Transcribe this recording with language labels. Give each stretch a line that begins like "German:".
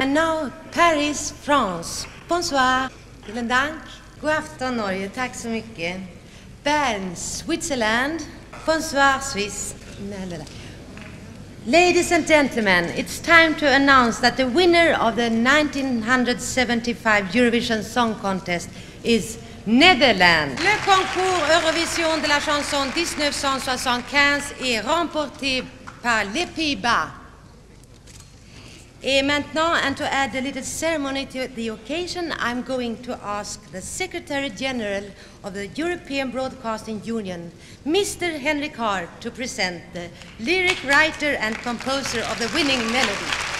English: And now Paris, France.
French: Bonsoir.
German: Guten Dank.
English: Good afternoon, Norge.
Swedish: Tack så mycket.
English: Bern, Switzerland.
French: Bonsoir,
English: Swiss. Ladies and gentlemen, it's time to announce that the winner of the 1975 Eurovision Song Contest is Netherlands.
French: Le concours Eurovision de la chanson 1975 est remporté par les Pays-Bas. Et maintenant,
English: and to add a little ceremony to the occasion, I'm going to ask the Secretary General of the European Broadcasting Union, Mr. Henry Carr, to present the lyric writer and composer of the winning melody.